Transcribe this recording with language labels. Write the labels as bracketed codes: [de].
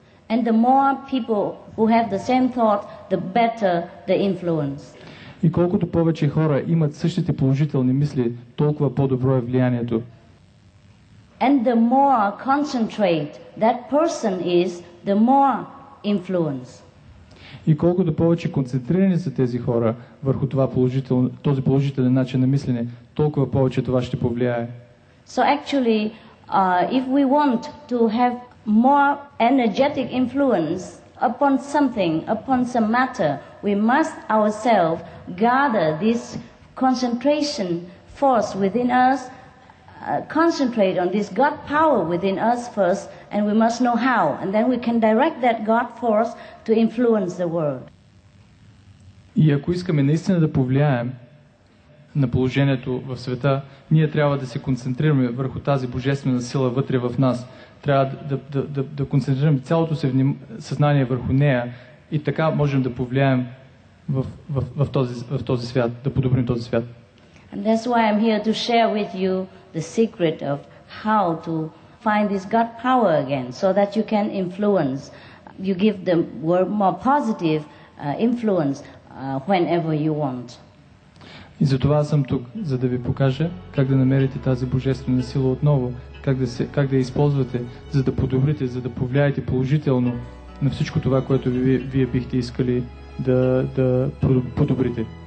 [en] And the more people who have the same thought, the better the influence. [bg] И колкото повече хора имат същите положителни мисли, толкова по-добро е влиянието. [en] And the more concentrate that person is, the more influence. [bg] И колкото повече концентрирани са тези хора върху това този положителен начин на мислене, толкова повече това ще повлияе. [en] So actually, if we want to have more energetic influence upon something, upon some matter, we must ourselves gather this concentration force within us, concentrate on this God power within us first, and we must know how, and then we can direct that God force to influence the world. [bg] И ако искаме наистина да повлияем на положението в света, ние трябва да се концентрираме върху тази божествена сила вътре в нас. Трябва да концентрираме цялото се съзнание върху нея и така можем да повлияем в този свят, да подобрим този свят. [en] And that's why I'm here to share with you the secret of how to find this God power again, so that you can influence, you give the world more positive influence whenever you want. [bg] И затова съм тук, за да ви покажа как да намерите тази божествена сила отново, как да я използвате, за да подобрите, за да повлияете положително на всичко това, което вие бихте искали да подобрите.